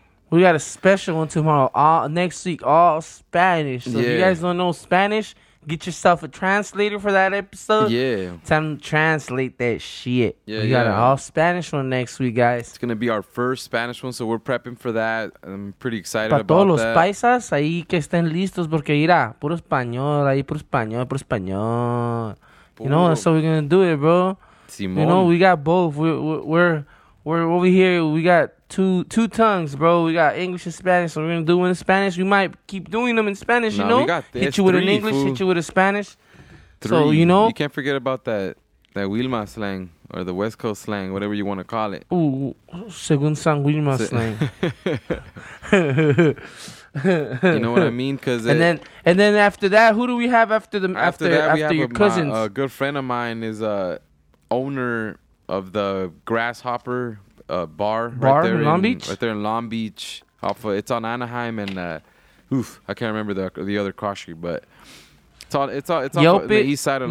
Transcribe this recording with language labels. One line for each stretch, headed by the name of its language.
English: We got a special one tomorrow, next week, all Spanish. So yeah. If you guys don't know Spanish, get yourself a translator for that episode. Yeah. Time to translate that shit. We got an all Spanish one next week, guys. It's going to be our first Spanish one, so we're prepping for that. I'm pretty excited about that. Para
Spanish: todos los paisas, ahí que estén listos, porque mira, puro español, ahí puro español.
English: You know, that's how we're going to do it, bro.
Spanish: Simón.
English: You know, we got both. We're over here, we got... Two tongues, bro. We got English and Spanish. So we're going to do one in Spanish. We might keep doing them in Spanish, you know? We got this. Hit you with an English, food. Hit you with a Spanish. Three. So, you know? You can't forget about that Wilma slang or the West Coast slang, whatever you want to call it. Ooh, según San Wilma slang. You know what I mean? Cause and then after that, who do we have after your cousins? A good friend of mine is owner of the Grasshopper bar right there in Long Beach. Right there in Long Beach, it's on Anaheim and I can't remember the other cross street, but it's on the east side of